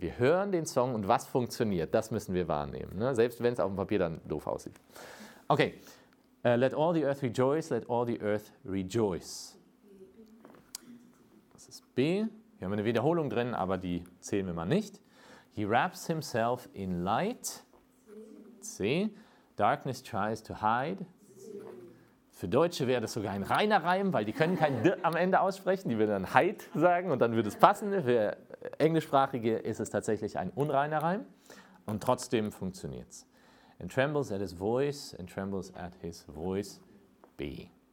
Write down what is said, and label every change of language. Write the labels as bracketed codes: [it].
[de] Wir hören den Song und was funktioniert, das müssen wir wahrnehmen. Ne? Selbst wenn es auf dem Papier dann doof aussieht. Okay, let all the earth rejoice, let all the earth rejoice. Das ist B. Wir haben eine Wiederholung drin, aber die zählen wir mal nicht. [en] He wraps himself in light. C. Darkness tries to hide. [de] Für Deutsche wäre das sogar ein reiner Reim, weil die können kein D am Ende aussprechen. Die würden dann Heid sagen und dann würde es passen. Für Englischsprachige ist es tatsächlich ein unreiner Reim. Und trotzdem funktioniert es. [en] And trembles at his voice, and trembles at his voice, B.